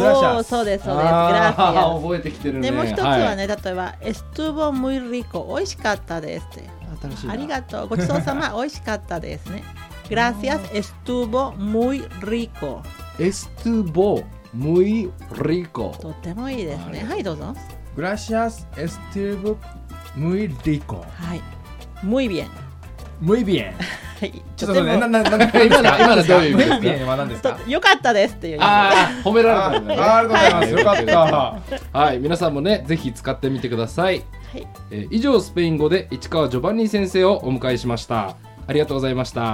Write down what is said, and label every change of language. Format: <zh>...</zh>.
<ja>おー、そうです、そうです、グラシアス、覚えてきてるね。でも一つはね、はい、例えば</ja> <es>エストゥボムイリコ、</es> <ja>美味しかったですって。新しい、ありがとう、ごちそうさま美味しかったですね。</ja> <es>グラシアス、エストゥボムイリコ、エストゥボMuy rico。</es> <ja>とてもいいですね。はい、どうぞ。</ja> <es>Gracias, estuvo muy rico。はい、 Muy bien。 Muy bien。</es> <ja>はい、ちょっと待って、今のどういう意味ですか？</ja> <es>Muy bien</es> <ja>は何ですか？よかったですっていう意味。ああ、褒められたんだね。ありがとうございます、よかった。はい、皆さんもね、ぜひ使ってみてください。はい、以上、スペイン語で市川ジョバンニ先生をお迎えしました。ありがとうございました。</ja>